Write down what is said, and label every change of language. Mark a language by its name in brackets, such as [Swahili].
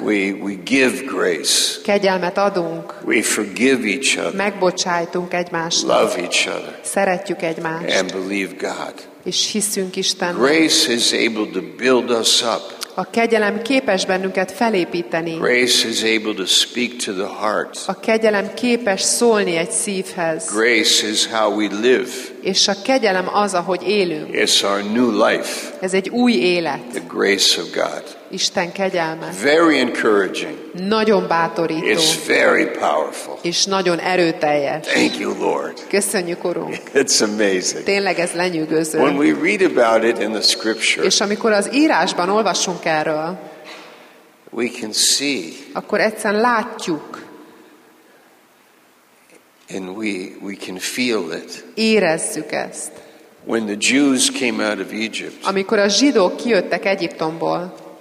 [English] We give grace. [Hungarian] Kegyelmet adunk. [English] We forgive each other. [Hungarian] Megbocsájtunk egymást. [English] Love each other. [Hungarian] Szeretjük egymást. [English] And believe God. [Hungarian] És hiszünk Istenben. [English] Grace is able to build us up. [Hungarian] A kegyelem képes bennünket felépíteni. [English] Grace is able to speak to the heart. [Hungarian] A kegyelem képes szólni egy szívhez. [English] Grace is how we live. [Hungarian] És a kegyelem az, ahogy élünk. [English] It's our new life. [Hungarian] Ez egy új élet. [English] The grace of God. [Hungarian] Isten kegyelme. [English] Very encouraging. [Hungarian] Nagyon bátorító. [English] It's very powerful. [Hungarian] És nagyon erőteljes. [English] Thank you, Lord. [Hungarian] Köszönjük, Urunk. [English] It's amazing. [Hungarian] Tényleg ez lenyűgöző. [English] When we read about it in the scripture. [Hungarian] És amikor az írásban olvasunk erről. [English] We can see. [Hungarian] Akkor egyszerűen látjuk. [English] And we can feel it. [Hungarian] Érezzük ezt. [English] When the Jews came out of Egypt. [Hungarian] Amikor a zsidók kijöttek Egyiptomból.